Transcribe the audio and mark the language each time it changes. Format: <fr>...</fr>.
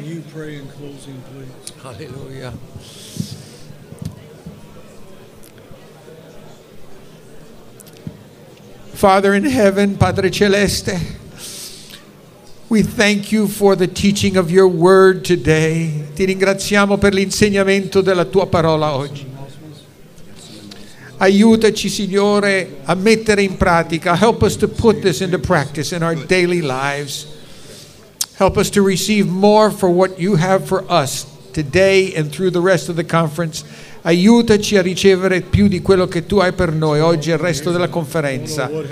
<en>Can you pray in closing, please? Hallelujah. Father in heaven,</en> <it>Padre Celeste,</it> <en>we thank you for the teaching of your word today.</en> <it>Ti ringraziamo per l'insegnamento della tua parola oggi. Aiutaci, Signore, a mettere in pratica.</it> <en>Help us to put this into practice in our daily lives. Help us to receive more for what you have for us today and through the rest of the conference.</en> <it>Aiutaci a ricevere più di quello che tu hai per noi oggi e il resto della conferenza.</it>